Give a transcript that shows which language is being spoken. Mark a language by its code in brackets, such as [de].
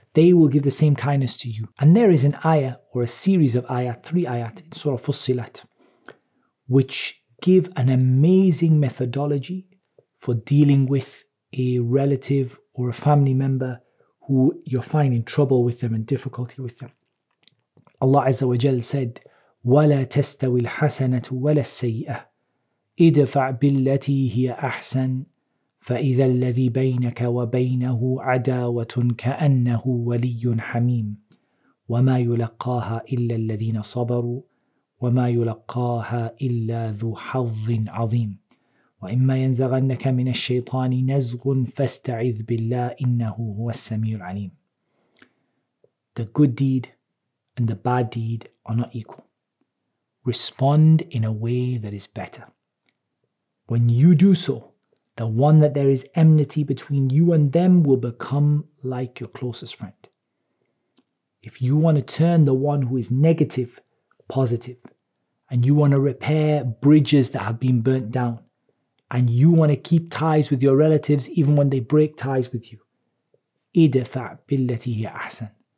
[en] They will give the same kindness to you. And there is an ayah or a series of ayat, three ayat in Surah Fussilat, which give an amazing methodology for dealing with a relative or a family member who you're finding trouble with them and difficulty with them. Allah Azza wa Jal said, [ar] وَلَا تَسْتَوِي الْحَسَنَةُ وَلَا السَّيِّئَةُ اِدْفَعْ بِالَّتِي هِيَ أَحْسَنُ فَإِذَا الَّذِي بَيْنَكَ وَبَيْنَهُ عَدَاوَةٌ كَأَنَّهُ وَلِيٌّ حَمِيمٌ وَمَا يُلَقَّاهَا إِلَّا الَّذِينَ صَبَرُوا وَمَا يُلَقَّاهَا إِلَّا ذُو حَظٍّ عَظِيمٍ وَإِمَّا يَنْزَغَنَّكَ مِنَ الشَّيْطَانِ نَزْغٌ فَاسْتَعِذْ بِاللَّهِ إِنَّهُ هُوَ السَّمِيعُ الْعَلِيمُ [en] The good deed and the bad deed are not equal. Respond in a way that is better. When you do so, the one that there is enmity between you and them will become like your closest friend. If you want to turn the one who is negative, positive, and you want to repair bridges that have been burnt down, and you want to keep ties with your relatives even when they break ties with you, [ar] idfa billati hiya ahsan.